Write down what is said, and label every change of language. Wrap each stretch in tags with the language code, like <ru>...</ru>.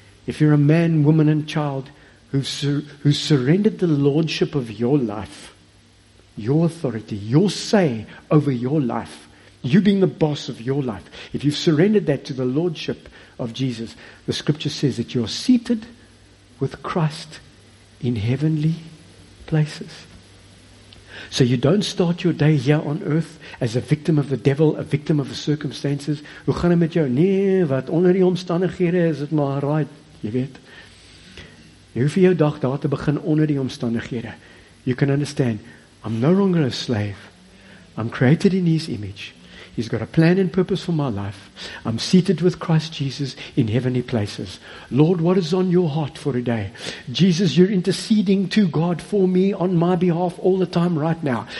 <en>If you're a man, woman, and child who surrendered the lordship of your life, your authority, your say over your life, you being the boss of your life, if you've surrendered that to the lordship of Jesus, the scripture says that you're seated with Christ in heavenly places. So you don't start your day here on earth as a victim of the devil, a victim of the circumstances.</en> <af>Hoe gaan dit met jou? Nee, wat onder die omstandighede is dit maar right, jy weet. Jy hoef jou dag daar te begin onder die omstandighede.</af> <en>You can understand, I'm no longer a slave. I'm created in His image. He's got a plan and purpose for my life. I'm seated with Christ Jesus in heavenly places. Lord, what is on your heart for today? Jesus, you're interceding to God for me on my behalf all the time right now.</en>